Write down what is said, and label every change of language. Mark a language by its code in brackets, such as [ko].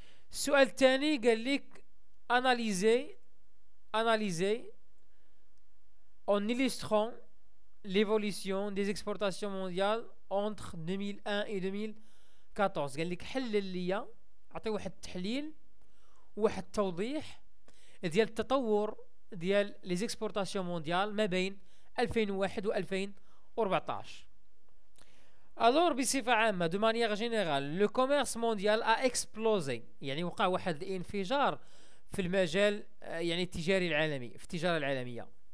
[ar] السؤال الثاني قال لك اناليزي اون ايليستخون ليفوليسيون دي زيكسبورتاسيون مونديال اونتخ 2001 اي 2014. قال لك حلل ليا، اعطي واحد التحليل، واحد التوضيح ديال التطور ديال لي زيكسبورطاسيون مونديال ما بين 2001 و 2014. [fr] Alors, [ar] بصفة عامة, [fr] de manière générale, le commerce mondial a explosé. [ar] يعني وقع واحد الانفجار في المجال يعني التجاري العالمي, في التجارة العالمية.